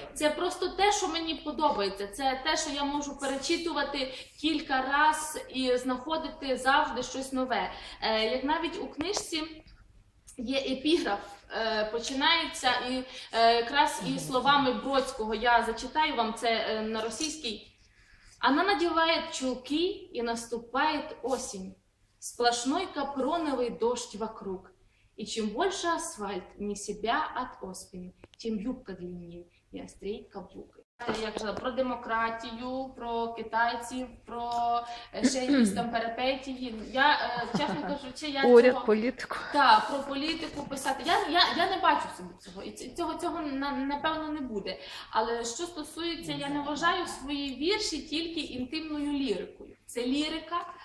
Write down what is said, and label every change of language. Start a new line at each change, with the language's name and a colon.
Ukrainian: Це просто те, що мені подобається, це те, що я можу перечитувати кілька раз і знаходити завжди щось нове. Як навіть у книжці є епіграф, починається і якраз і словами Бродського, я зачитаю вам це на російській.
Russian: Она надевает чулки, и наступает осень. Сплошной капроновый дождь вокруг. И чем больше асфальт, не себя от оспин, тем юбка длиннее и острей каблук.
Ukrainian: Я казала про демократію, про китайців, про ще якісь там перипетії. Я, чесно кажучи, я уряд, цього... політику. Так, про політику писати. Я не бачу собі цього. І цього напевно не буде. Але що стосується, я не вважаю свої вірші тільки інтимною лірикою. Це лірика.